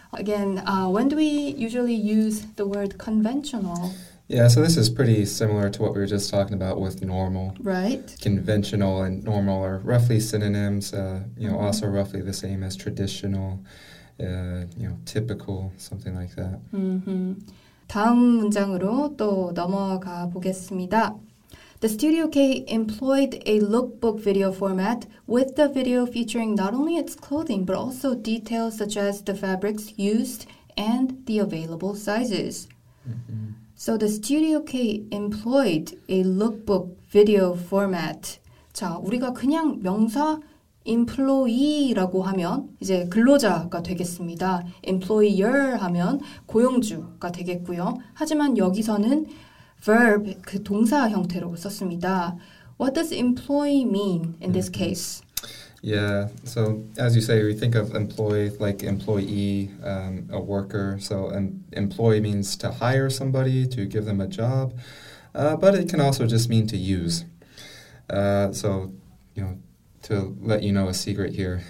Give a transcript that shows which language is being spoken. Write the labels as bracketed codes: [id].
[en] Again, when do we usually use the word conventional? Yeah, so this is pretty similar to what we were just talking about with normal. Right. Conventional and normal are roughly synonyms, you know, also roughly the same as traditional, you know, typical, something like that. Mm-hmm. [ko] 다음 문장으로 또 넘어가 보겠습니다. [en] The Studio K employed a lookbook video format with the video featuring not only its clothing but also details such as the fabrics used and the available sizes. Mm-hmm. So the Studio K employed a lookbook video format. [ko] 자, 우리가 그냥 명사 employee라고 하면 이제 근로자가 되겠습니다. employer 하면 고용주가 되겠고요. 하지만 여기서는 verb, 그 동사 형태로 썼습니다. [en] What does employee mean in this case? Yeah, so as you say, we think of employee like employee, a worker. So employee means to hire somebody, to give them a job. But it can also just mean to use. So, you know, to let you know a secret here.